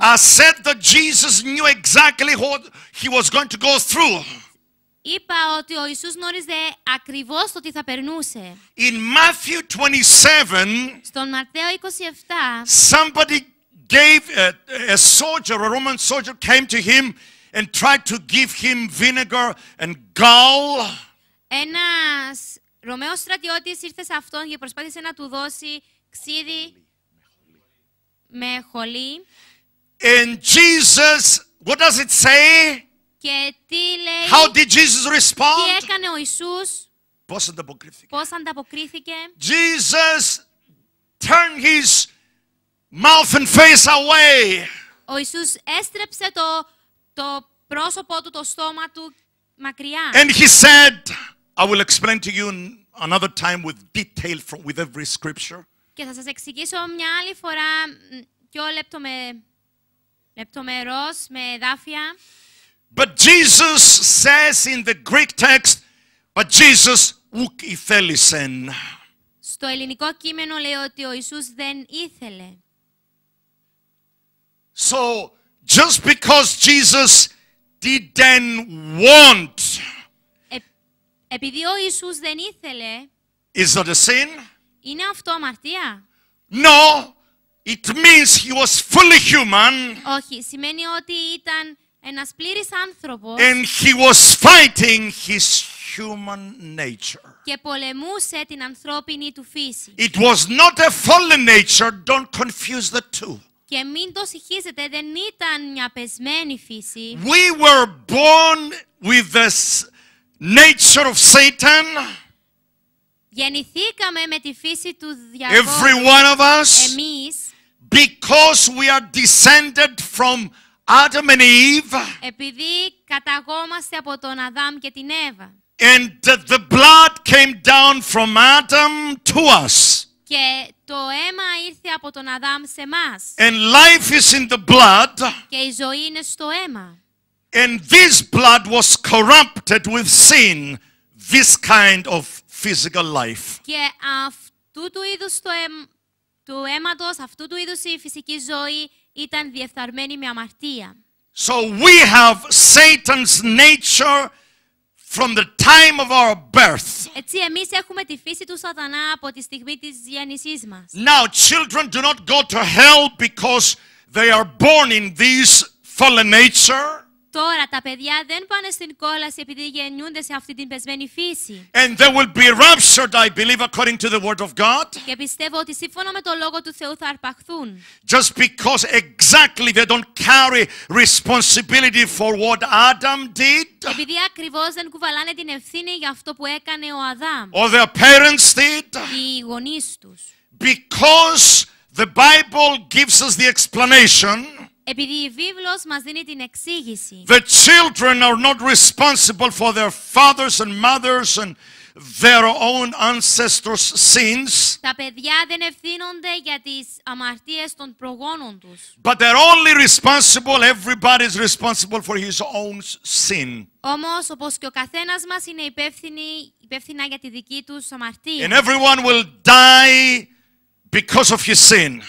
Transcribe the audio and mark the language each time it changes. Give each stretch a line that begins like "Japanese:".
English: I said that Jesus knew exactly what he was going to go through.
Greek: Είπα ότι ο Ιησούς γνώριζε ακριβώς το τι θα περνούσε.
English: In Matthew 27,
Greek: στον Ματθαίο 27,
English: somebody gave a soldier, a Roman soldier came to him and tried to give him vinegar and gall.
Greek: Ένας Ρωμαίος στρατιώτης ήρθε σε αυτόν και προσπάθησε να του δώσει ξύδι με χολή.
English: And Jesus, what does it say?
Greek: Και τι λέει?
English: How did Jesus respond?
Greek: Τι έκανε ο Ιησούς? Πώς ανταποκρίθηκε?
English: Jesus turned his mouth and face away.
Greek: Ο Ιησούς έστρεψε το πρόσωπό του, το στόμα του μακριά.
English: And he said, I will explain to you another time with detail from with every scripture.
Greek: Και θα σας εξηγήσω μια άλλη φορά πιο λεπτομερώς, με εδάφια.
English: But Jesus says in the Greek text, but Jesus
Greek: ουκ ηθέλησεν. Στο ελληνικό κείμενο λέει ότι ο Ιησούς δεν ήθελε.
English: So, just because Jesus didn't want.
Greek: Επειδή ο Ιησούς δεν ήθελε.
English: Is that a sin?
Greek: Είναι αυτό αμαρτία?
English: No, it means he was fully human.
Greek: Όχι, σημαίνει ότι ήταν ένας πλήρης άνθρωπος.
English: And he was fighting his human nature.
Greek: Και πολεμούσε την ανθρώπινη του φύση.
English: It was not a fallen nature. Don't confuse the two.
Greek: Και μην το συγχύσετε, δεν ήταν μια πεσμένη φύση.
English: We were born with the nature of Satan.
Greek: Γεννηθήκαμε με τη φύση του διαβόλου.
English: Every one of us,
Greek: εμείς,
English: because we are descended from Adam and Eve,
Greek: επειδή καταγόμαστε από τον Αδάμ και την Εύα.
English: And the blood came down from Adam to us.
Greek: Και το αίμα ήρθε από τον Αδάμ σε μας.
English: And life is in the blood.
Greek: Και η ζωή είναι στο αίμα.
English: And this blood was corrupted with sin. This kind of physical life.
Greek: Και αυτού του είδους του αίματος, αυτού του είδους η φυσική ζωή ήταν διεφθαρμένη με αμαρτία.
English: So we have Satan's nature from the time of our birth.
Greek: Έτσι εμείς έχουμε τη φύση του Σατανά από τη στιγμή της γέννησής μας.
English: Now children do not go to hell because they are born in this fallen nature.
Greek: Τώρα τα παιδιά δεν πάνε στην κόλαση επειδή γεννιούνται σε αυτή την πεσμένη φύση.
English: And they will be raptured, I believe, according to the word of God.
Greek: Και πιστεύω ότι σύμφωνα με το λόγο του Θεού θα αρπαχθούν.
English: Just because exactly they don't carry responsibility for what Adam did.
Greek: Επειδή ακριβώς δεν κουβαλάνε την ευθύνη για αυτό που έκανε ο Αδάμ.
English: Or their parents did.
Greek: Οι γονείς τους.
English: Because the Bible gives us the explanation.
Greek: Επειδή η Βίβλος μας δίνει την εξήγηση.
English: The children are not responsible for their fathers and mothers and their own ancestors' sins.
Greek: Τα παιδιά δεν ευθύνονται για τις αμαρτίες των προγόνων τους.
English: But they're only responsible. Everybody's responsible for his own sin.
Greek: Όμως, όπως και ο καθένας μας είναι υπεύθυνα για τη δική τους αμαρτία.
English: And everyone will die because of his sin.